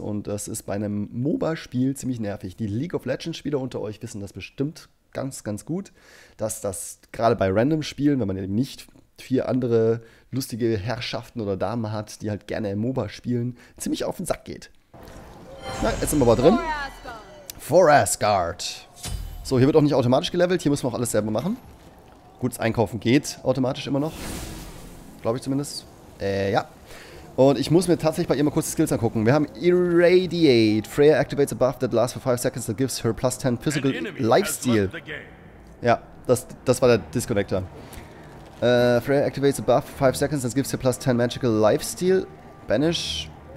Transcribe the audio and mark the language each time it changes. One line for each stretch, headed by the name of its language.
German: Und das ist bei einem MOBA-Spiel ziemlich nervig. Die League of Legends-Spieler unter euch wissen das bestimmt ganz, ganz gut, dass das gerade bei Random-Spielen, wenn man eben nicht vier andere lustige Herrschaften oder Damen hat, die halt gerne im MOBA spielen, ziemlich auf den Sack geht. Na, jetzt sind wir aber drin.
English: For Asgard.
German: So, hier wird auch nicht automatisch gelevelt. Hier müssen wir auch alles selber machen. Gut, das Einkaufen geht automatisch immer noch. Glaube ich zumindest. Ja. Und ich muss mir tatsächlich bei ihr mal kurz die Skills angucken. Wir haben Irradiate.
English: Freya activates a buff that lasts for 5 seconds that gives her plus 10 physical lifesteal.
German: Ja, das war der Disconnector.
English: Freya activates a buff for 5 seconds that gives her plus 10 magical lifesteal. Banish.